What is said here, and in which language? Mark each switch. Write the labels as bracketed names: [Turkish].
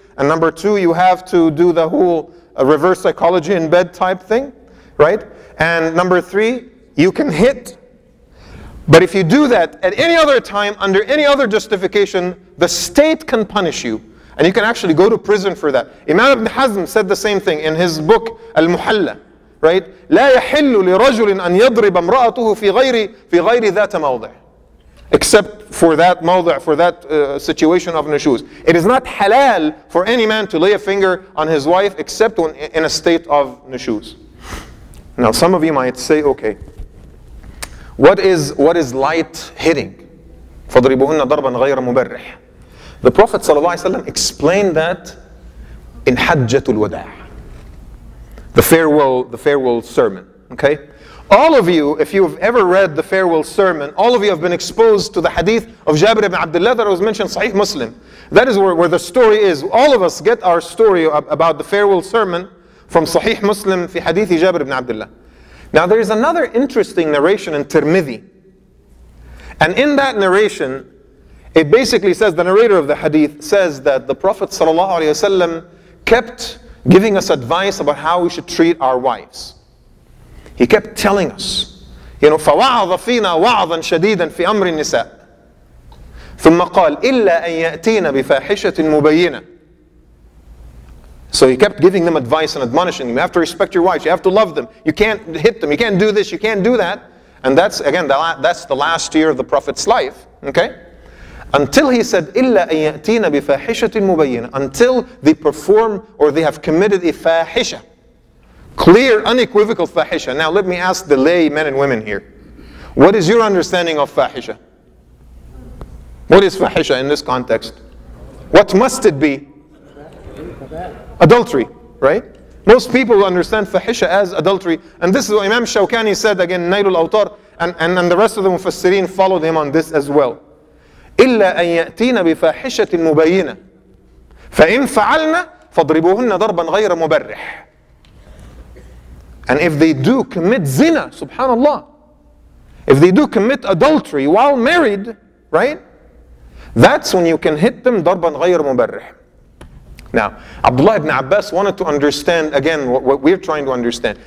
[English] And number two, you have to do the whole reverse psychology in bed type thing, right? And number three, you can hit. But if you do that at any other time, under any other justification, the state can punish you. And you can actually go to prison for that. Imam Ibn Hazm said the same thing in his book, Al-Muhalla. Right? [Arabic] لا يحل لرجل أن يضرب امرأته في غير ذات موضع. [English] Except for that موضع, for that situation of nushuz. It is not halal for any man to lay a finger on his wife except when in a state of nushuz. Now some of you might say, okay, what is light hitting? [Arabic] فضربوهن ضربا غير مبرح. [English] The Prophet [Arabic] صلى الله عليه وسلم [English] explained that in حجة الوداع. The farewell sermon, okay? All of you, if you've ever read the farewell sermon, all of you have been exposed to the hadith of Jabir ibn Abdullah that was mentioned in Sahih Muslim. That is where the story is. All of us get our story about the farewell sermon from Sahih Muslim fi hadith Jabir ibn Abdullah. Now there is another interesting narration in Tirmidhi. And in that narration, it basically says, the narrator of the hadith says that the Prophet sallallahu alayhi wasallam kept giving us advice about how we should treat our wives. He kept telling us, you know, [Arabic] فَوَعَظَ فِينَا وَعَظًا شَدِيدًا فِي أَمْرِ النِّسَاءِ ثُمَّ قَالْ إِلَّا أَن يَأْتِينَ بِفَاحِشَةٍ مُبَيِّنَةٍ. [English] So he kept giving them advice and admonishing them. You have to respect your wives, you have to love them. You can't hit them, you can't do this, you can't do that. And that's, again, that's the last year of the Prophet's life, okay? [Arabic] Until he said, إلا أن يأتين بفاحشة مبينة. [English] Until they perform or they have committed a fahisha. Clear, unequivocal fahisha. Now let me ask the lay men and women here. What is your understanding of fahisha? What is fahisha in this context? What must it be? Adultery, right? Most people understand fahisha as adultery. And this is what Imam Shawkani said again, Nail al-Awtar, and the rest of the Mufassireen followed him on this as well. [Arabic] إلا أن يأتين بفاحشة مبينة فإن فعلنا فضربوهن ضربا غير مبرح. [English] And if they do commit zina, subhanallah, if they do commit adultery while married, right? That's when you can hit them [Arabic] ضربا غير مبرح. [English] Now, Abdullah ibn Abbas wanted to understand again what we're trying to understand.